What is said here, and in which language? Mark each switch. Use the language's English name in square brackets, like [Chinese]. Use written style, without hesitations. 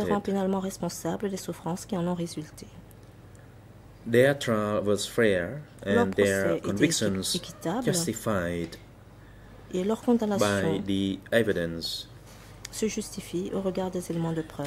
[French] Ce qui les rend pénalement responsables des souffrances qui en ont résulté. [English] Their trial was fair and their convictions justified [French] et leur condamnation [English] by the evidence [French] se justifie au regard des éléments de preuve.